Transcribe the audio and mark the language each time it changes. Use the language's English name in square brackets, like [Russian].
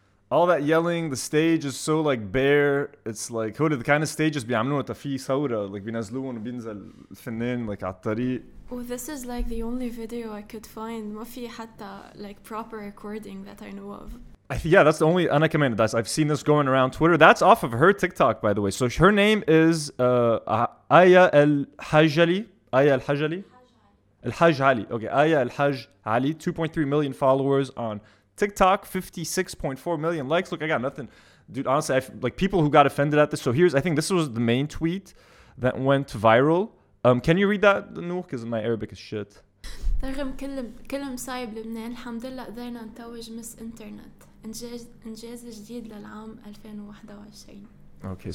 [English] All that yelling, the stage is so like bare. It's like, who did the kind of stages [Arabic] بيعملوا تفي ثورة [English] like [Arabic] بينزلون وبينزل الفنان [English] like [Arabic] على الطريق. [English] Oh, this is like the only video I could find. [Arabic] ما في حتى [English] like proper recording that I know of. Yeah, that's the only Anna commented. I've seen this going around Twitter. That's off of her TikTok, by the way. So her name is Aya Al-Hajali. Aya Al-Hajali? Al-Hajali. Okay, Aya Al-Hajali. 2.3 million followers on TikTok. 56.4 million likes. Look, I got nothing. Dude, honestly, like people who got offended at this. So here's, I think this was the main tweet that went viral. Can you read that, Nuh? Because my Arabic is shit. [Arabic] رغم كل مصايب لبنان الحمد لله قدرنا نتوج مس انترنت انجاز جديد للعام 2021.